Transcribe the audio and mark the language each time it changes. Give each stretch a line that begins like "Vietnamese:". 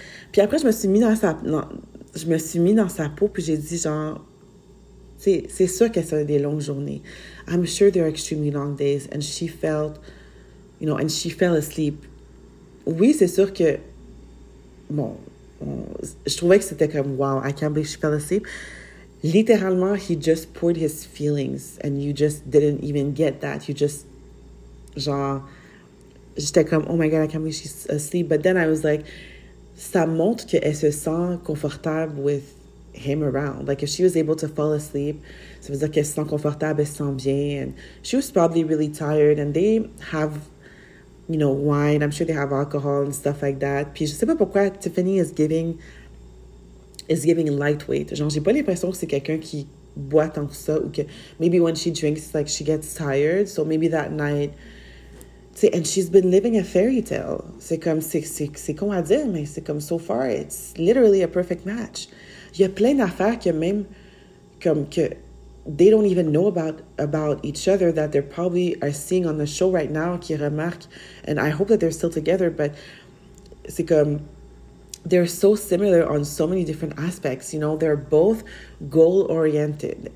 French: Puis après, je me suis mis dans sa. Non, je me suis mis dans sa peau, puis j'ai dit, genre. C'est sûr que ça a des longues journées.
English: I'm sure they're extremely long days. And she felt, you know, and she fell asleep.
French: Oui, c'est sûr que. Bon, je trouvais que c'était comme,
English: wow, I can't believe she fell asleep. Littéralement, he just poured his feelings. And you just didn't even get that. You just,
French: genre, j'étais comme,
English: oh my God, I can't believe she's asleep. But then I was like,
French: ça montre qu'elle se sent confortable
English: with. Him around. Like, if she was able to fall asleep,
French: ça veut dire qu'elle se sent confortable, elle se sent bien,
English: and she was probably really tired, and they have, you know, wine. I'm sure they have alcohol and stuff like that.
French: Puis, je sais pas pourquoi Tiffany
English: is giving lightweight.
French: Genre, j'ai pas l'impression que c'est quelqu'un qui boit tant que ça, ou que.
English: Maybe when she drinks, like, she gets tired, so maybe that night. T'sais, and she's been living a fairy tale.
French: C'est comme, c'est con à dire, mais c'est comme,
English: so far, it's literally a perfect match.
French: Il y a plein d'affaires que même, comme que,
English: they don't even know about each other that they're probably are seeing on the show right now,
French: qui remarquent,
English: and I hope that they're still together, but
French: c'est comme,
English: they're so similar on so many different aspects, you know, they're both goal-oriented.